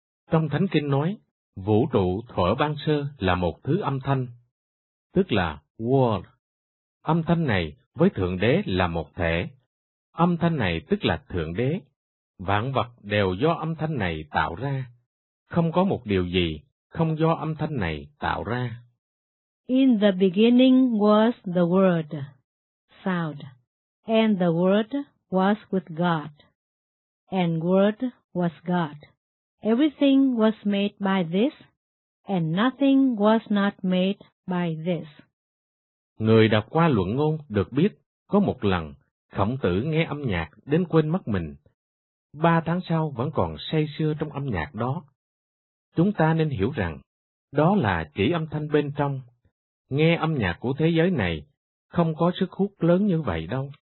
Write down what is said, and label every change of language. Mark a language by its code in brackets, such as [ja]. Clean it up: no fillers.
[vi] Trong Thánh Kinh nói, vũ trụ thuở ban sơ là một thứ âm thanh, tức là world. Âm thanh này với Thượng Đế là một thể, âm thanh này tức là Thượng Đế, vạn vật đều do âm thanh này tạo ra, không có một điều gì không do âm thanh này tạo ra. [en] In the beginning was the Word, sound, and the Word was with God, and Word was God. Everything was made by this, and nothing was not made by this. [vi] Người đọc qua luận ngôn được biết, có một lần, Khổng Tử nghe âm nhạc đến quên mất mình. 3 tháng sau vẫn còn say sưa trong âm nhạc đó. Chúng ta nên hiểu rằng, đó là chỉ âm thanh bên trong. Nghe âm nhạc của thế giới này không có sức hút lớn như vậy đâu.